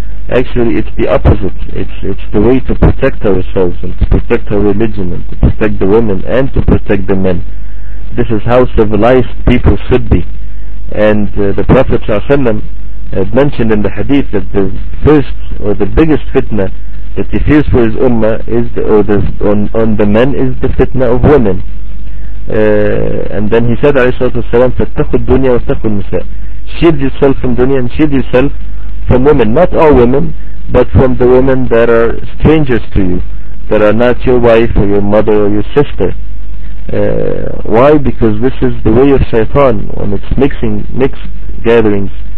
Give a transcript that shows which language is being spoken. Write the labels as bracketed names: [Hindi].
[English] Actually, it's the opposite. It's the way to protect ourselves and to protect our religion and to protect the women and to protect the men. This is how civilized people should be. And the Prophet ﷺ had mentioned in the hadith that the first or the biggest fitna that he fears for his ummah is on the men is the fitna of women. And then he said, [Arabic] عليه الصلاة والسلام, فاتقوا الدنيا واتقوا النساء. [English] Shield yourself from dunya and shield yourself from women. Not all women, but from the women that are strangers to you, that are not your wife or your mother or your sister. Why? Because this is the way of shaitan when it's mixed gatherings.